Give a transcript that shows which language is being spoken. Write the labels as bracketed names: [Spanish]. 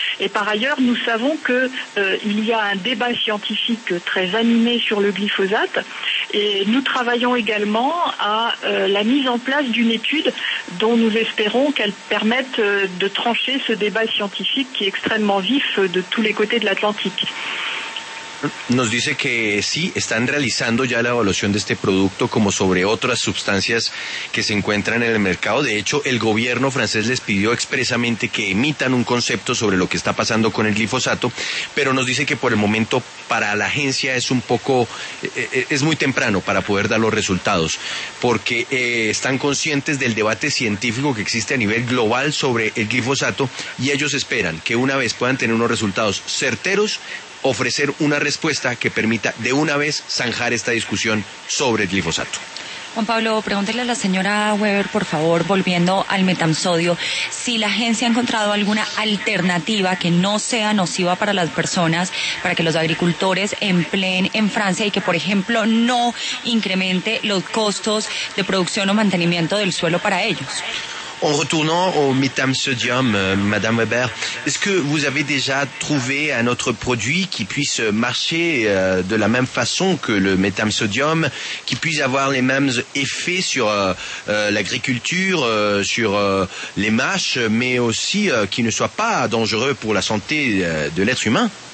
[French] Et par ailleurs, nous savons que il y a un débat scientifique très animé sur le glyphosate. Et nous travaillons également à la mise en place d'une étude dont nous espérons qu'elle permette de trancher ce débat scientifique qui est extrêmement vif de tous les côtés de l'Atlantique. [Spanish] Nos dice que sí, están realizando ya la evaluación de este producto como sobre otras sustancias que se encuentran en el mercado. De hecho, el gobierno francés les pidió expresamente que emitan un concepto sobre lo que está pasando con el glifosato, pero nos dice que por el momento para la agencia es un poco, es muy temprano para poder dar los resultados, porque están conscientes del debate científico que existe a nivel global sobre el glifosato y ellos esperan que una vez puedan tener unos resultados certeros, ofrecer una respuesta que permita de una vez zanjar esta discusión sobre el glifosato. Juan Pablo, pregúntele a la señora Weber, por favor, volviendo al metamsodio, si la agencia ha encontrado alguna alternativa que no sea nociva para las personas, para que los agricultores empleen en Francia y que, por ejemplo, no incremente los costos de producción o mantenimiento del suelo para ellos. [French] En retournant au métham-sodium, Madame Weber, est-ce que vous avez déjà trouvé un autre produit qui puisse marcher de la même façon que le métham-sodium, qui puisse avoir les mêmes effets sur l'agriculture, sur les mâches, mais aussi qui ne soit pas dangereux pour la santé de l'être humain?